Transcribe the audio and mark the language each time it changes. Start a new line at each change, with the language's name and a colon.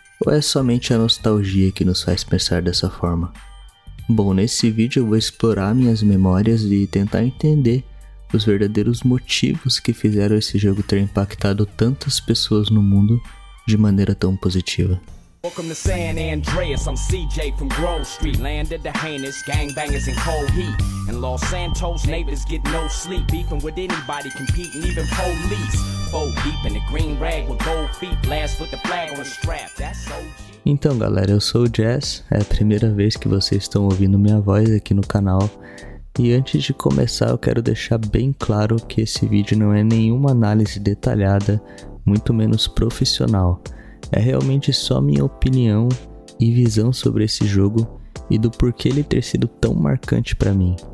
Portuguese: Ou é somente a nostalgia que nos faz pensar dessa forma? Bom, nesse vídeo eu vou explorar minhas memórias e tentar entender os verdadeiros motivos que fizeram esse jogo ter impactado tantas pessoas no mundo de maneira tão positiva.
English: Welcome to San Andreas, I'm CJ from Grove Street. Land of the heinous, gangbangers in cold heat. In Los Santos, neighbors get no sleep. Beefing with anybody, competing, even police. Four deep in a green rag with gold feet. Last with the flag on a strap, that's OG.
Portuguese: Então galera, eu sou o Jazz, é a primeira vez que vocês estão ouvindo minha voz aqui no canal. E antes de começar, eu quero deixar bem claro que esse vídeo não é nenhuma análise detalhada, muito menos profissional. É realmente só minha opinião e visão sobre esse jogo e do porquê ele ter sido tão marcante para mim.